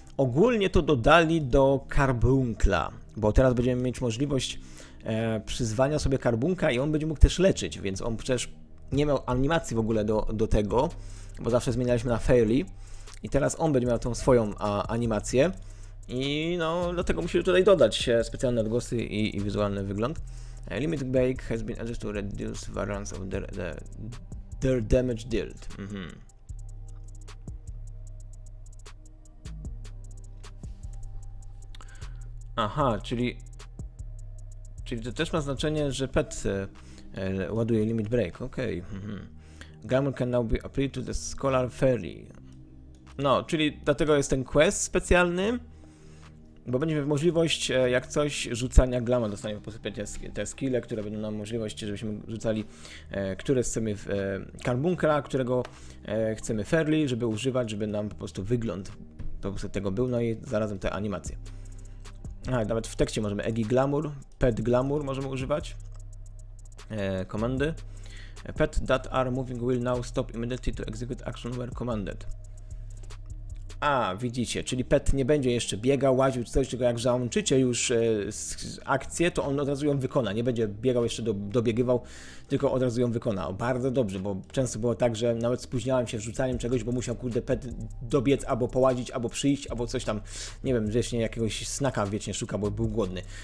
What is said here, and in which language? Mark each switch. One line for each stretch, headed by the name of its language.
Polish: Ogólnie to dodali do karbunkla, bo teraz będziemy mieć możliwość przyzwania sobie karbunka i on będzie mógł też leczyć, więc on przecież nie miał animacji w ogóle do tego, bo zawsze zmienialiśmy na Fairy i teraz on będzie miał tą swoją animację. I no, dlatego musimy tutaj dodać specjalne odgłosy i wizualny wygląd.
English: Limit Bake has been added to reduce variance of their damage dealt. Mm-hmm.
Polish: Aha, czyli to też ma znaczenie, że pet ładuje Limit Break, okej. Okay. Mm-hmm.
English: Glamour can now be applied to the Scholar Fairy.
Polish: No, czyli dlatego jest ten quest specjalny. Bo będziemy mieli możliwość, jak coś, rzucania glamour, dostaniemy po prostu te skille, które będą nam możliwość, żebyśmy rzucali, które chcemy w karbunkra, którego chcemy Fairly, żeby używać, żeby nam po prostu wygląd po prostu tego był, no i zarazem te animacje. A, nawet w tekście możemy Egi Glamour, Pet Glamour możemy używać, komendy.
English: Pet that are moving will now stop immediately to execute action where commanded.
Polish: A, widzicie, czyli pet nie będzie jeszcze biegał, łaził czy coś, tylko jak załączycie już akcję, to on od razu ją wykona, nie będzie biegał jeszcze, dobiegywał, tylko od razu ją wykona. O, bardzo dobrze, bo często było tak, że nawet spóźniałem się z rzucaniem czegoś, bo musiał, kurde, pet dobiec, albo połazić, albo przyjść, albo coś tam, nie wiem, wiecznie jakiegoś snacka wiecznie szuka, bo był głodny.